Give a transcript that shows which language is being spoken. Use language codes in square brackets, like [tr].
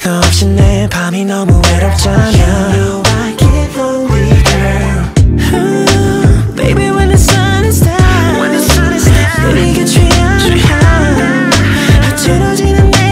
[ko] 너 없이 내 밤이 너무 외롭잖아. [en] You know I get lonely, girl. Ooh, baby, when the sun is down, when the sun is down, [ko] 네가 취하는 밤, 흐트러지는